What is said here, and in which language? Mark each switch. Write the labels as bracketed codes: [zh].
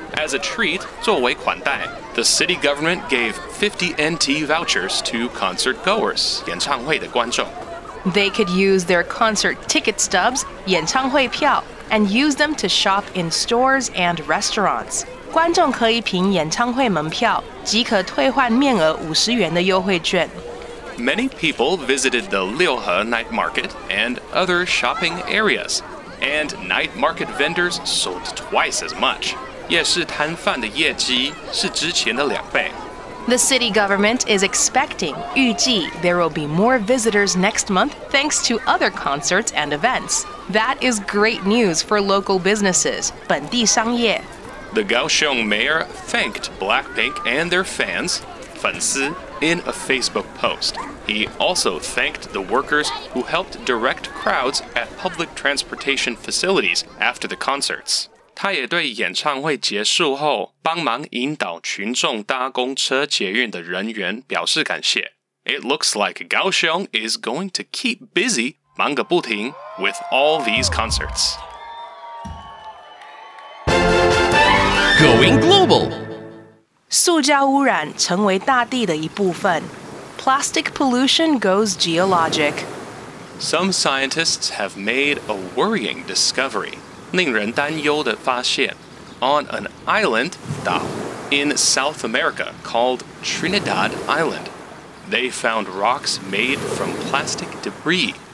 [en] As a treat, [zh] 作为款待 [en] the city government gave 50 NT vouchers to concert goers, [zh] 演唱会的观众。 [en] They could use their concert ticket stubs, [zh] 演唱会票。 [en] And use them to shop in stores and restaurants. [zh] 观众可以凭演唱会门票即可退换面额50元的优惠券。 [en] Many people visited the Liuhe Night Market and other shopping areas, and night market vendors sold twice as much. [zh] 夜市摊贩的业绩是之前的两倍。 [en] The city government is expecting, [zh] 预计 [en] there will be more visitors next month thanks to other concerts and events. That is great news for local businesses, [zh] 本地商业。 [en] The Kaohsiung mayor thanked BLACKPINK and their fans, [zh] 粉丝 [en] in a Facebook post. He also thanked the workers who helped direct crowds at public transportation facilities after the concerts. [zh] 他也对演唱会结束后帮忙引导群众搭公车捷运的人员表示感谢。 [en] It looks like Kaohsiung is going to keep busy, [zh] 忙个不停, [en] with all these concerts. Going global! [zh] 塑胶污染成为大地的一部分。 [en] Plastic pollution goes geologic. Some scientists have made a worrying discovery. [zh] 令人担忧的发现 [en] On an island, [zh] 岛 [en] in South America called Trinidad Island, they found rocks made from plastic debris.